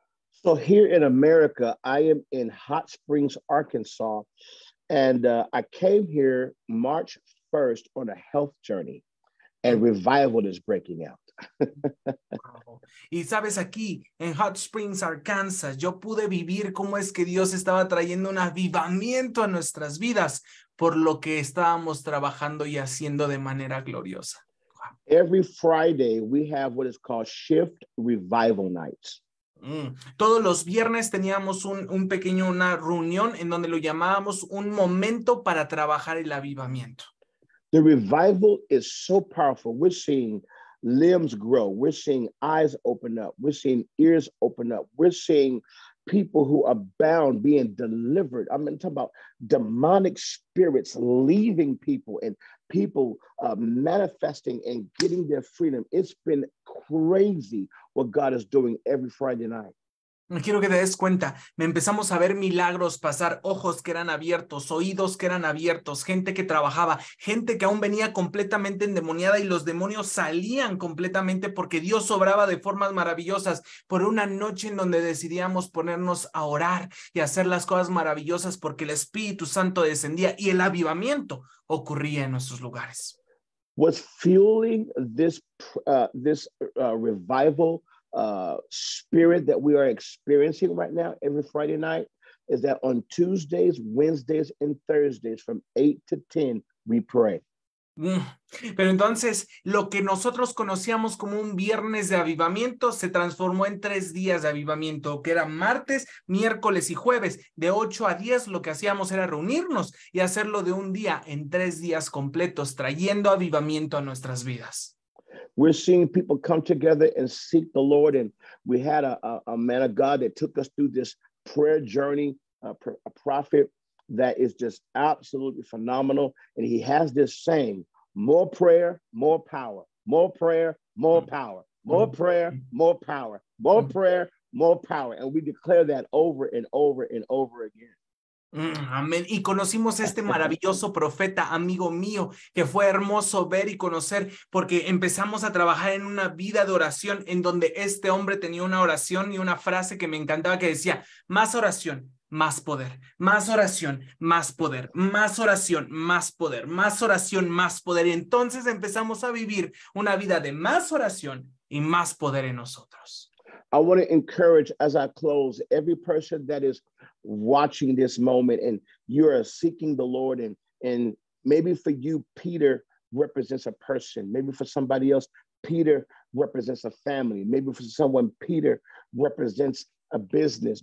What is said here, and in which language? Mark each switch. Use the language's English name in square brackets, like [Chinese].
[English] So here in America, I am in Hot Springs, Arkansas, and I came here March 1st on a health journey, and revival is breaking out. [Spanish] Y sabes, aquí en Hot Springs, Arkansas, yo pude vivir cómo es que Dios estaba trayendo un avivamiento a nuestras vidas por lo que estábamos trabajando y haciendo de manera gloriosa. [English] Every Friday we have what is called Shift Revival Nights. [Spanish] Todos los viernes teníamos una reunión en donde lo llamábamos un momento para trabajar el avivamiento. [English] The revival is so powerful. We're seeing limbs grow. We're seeing eyes open up. We're seeing ears open up. We're seeing people who are bound being delivered. I mean, talking about demonic spirits leaving people and people manifesting and getting their freedom. It's been crazy what God is doing every Friday night. [Spanish] Quiero que te des cuenta, me empezamos a ver milagros pasar, ojos que eran abiertos, oídos que eran abiertos, gente que trabajaba, gente que aún venía completamente endemoniada y los demonios salían completamente porque Dios obraba de formas maravillosas por una noche en donde decidíamos ponernos a orar y hacer las cosas maravillosas porque el Espíritu Santo descendía y el avivamiento ocurría en nuestros lugares. [English] What's fueling this revival spirit that we are experiencing right now every Friday night is that on Tuesdays, Wednesdays, and Thursdays from 8 to 10, we pray. [Spanish] Pero entonces, lo que nosotros conocíamos como un viernes de avivamiento se transformó en tres días de avivamiento, que eran martes, miércoles y jueves. De 8 a 10, lo que hacíamos era reunirnos y hacerlo de un día en tres días completos, trayendo avivamiento a nuestras vidas. [English] We're seeing people come together and seek the Lord. And we had a man of God that took us through this prayer journey, a prophet that is just absolutely phenomenal. And he has this saying, more prayer, more power, more prayer, more power, more prayer, more power, more prayer, more power. And we declare that over and over and over again. [Spanish] Amén. Y conocimos a este maravilloso profeta, amigo mío, que fue hermoso ver y conocer porque empezamos a trabajar en una vida de oración en donde este hombre tenía una oración y una frase que me encantaba que decía, más oración, más poder, más oración, más poder, más oración, más poder, más oración, más poder. Y entonces empezamos a vivir una vida de más oración y más poder en nosotros. [English] I want to encourage, as I close, every person that is watching this moment and you are seeking the Lord, and maybe for you, Peter represents a person. Maybe for somebody else, Peter represents a family. Maybe for someone, Peter represents a business.